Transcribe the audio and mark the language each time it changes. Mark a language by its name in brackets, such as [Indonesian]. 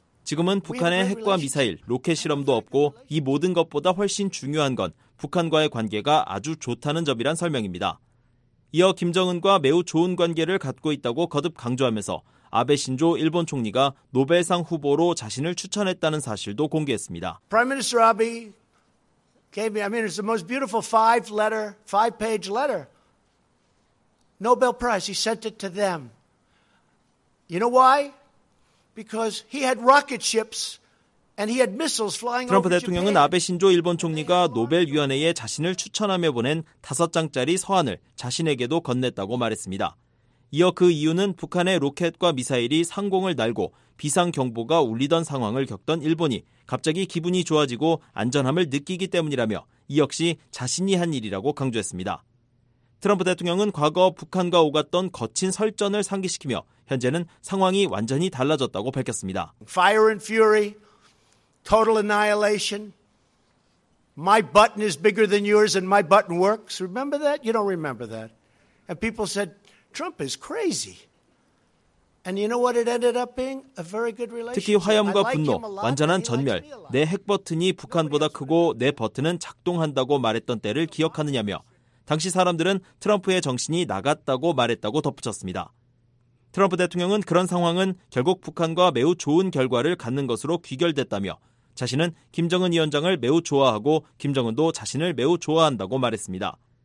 [Korean] 지금은 북한의 핵과 미사일, 로켓 실험도 없고 이 모든 것보다 훨씬 중요한 건 북한과의 관계가 아주 좋다는 점이란 설명입니다. 이어 김정은과 매우 좋은 관계를 갖고 있다고 거듭 강조하면서 아베 신조 일본 총리가 노벨상 후보로 자신을 추천했다는 사실도 공개했습니다. [English] Prime Minister Abe gave me, I mean, it's the most beautiful five-page letter. Nobel Prize, he sent it to them. You know why? Because he had rocket ships and he had missiles flying over. [Korean] 트럼프 대통령은 아베 신조 일본 총리가 노벨 위원회에 자신을 추천하며 보낸 5장짜리 서한을 자신에게도 건넸다고 말했습니다. 이어 그 이유는 북한의 로켓과 미사일이 상공을 날고 비상경보가 울리던 상황을 겪던 일본이 갑자기 기분이 좋아지고 안전함을 느끼기 때문이라며 이 역시 자신이 한 일이라고 강조했습니다. 트럼프 대통령은 과거 북한과 오갔던 거친 설전을 상기시키며 현재는 상황이 완전히 달라졌다고 밝혔습니다. [English] Fire and fury, total annihilation. My button is bigger than yours and my button works. Remember that? You don't remember that. And people said, Trump is crazy. And you know what it ended up being? A very good relationship. [Korean] 특히 화염과 분노, 완전한 전멸, 내 핵버튼이 북한보다 크고 내 버튼은 작동한다고 말했던 때를 기억하느냐며 당시 사람들은 트럼프의 정신이 나갔다고 말했다고 덧붙였습니다. 트럼프 대통령은 그런 상황은 결국 북한과 매우 좋은 결과를 갖는 것으로 귀결됐다며 자신은 김정은 위원장을 매우 좋아하고 김정은도 자신을 매우 좋아한다고 말했습니다.